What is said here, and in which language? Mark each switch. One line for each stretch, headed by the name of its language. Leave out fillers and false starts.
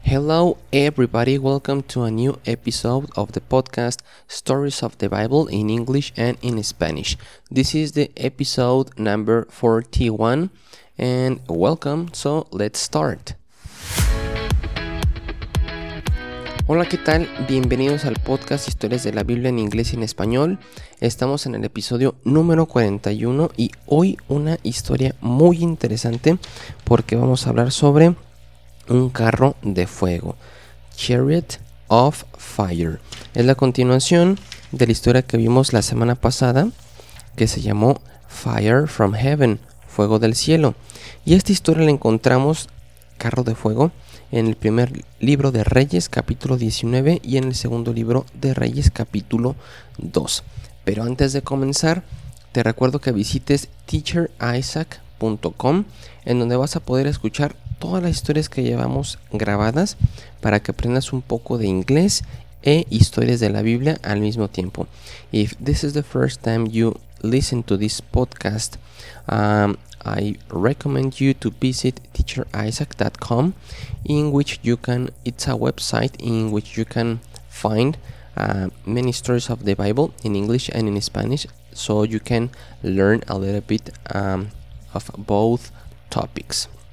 English: Hello everybody, welcome to a new episode of the podcast Stories of the Bible in English and in Spanish. This is the episode number 41 and welcome, so let's start.
Spanish: Hola, ¿qué tal? Bienvenidos al podcast Historias de la Biblia en Inglés y en Español. Estamos en el episodio número 41 y hoy una historia muy interesante porque vamos a hablar sobre un carro de fuego, Chariot of Fire. Es la continuación de la historia que vimos la semana pasada, que se llamó Fire from Heaven, Fuego del Cielo. Y esta historia la encontramos, carro de fuego, en el primer libro de Reyes, capítulo 19, y en el segundo libro de Reyes, capítulo 2. Pero antes de comenzar, te recuerdo que visites teacherisaac.com, en donde vas a poder escuchar todas las historias que llevamos grabadas para que aprendas un poco de inglés e historias de la Biblia al mismo tiempo.
English: If this is the first time you listen to this podcast, I recommend you to visit teacherisaac.com, in which you can, it's a website in which you can find many stories of the Bible in English and in Spanish, so you can learn a little bit of both topics.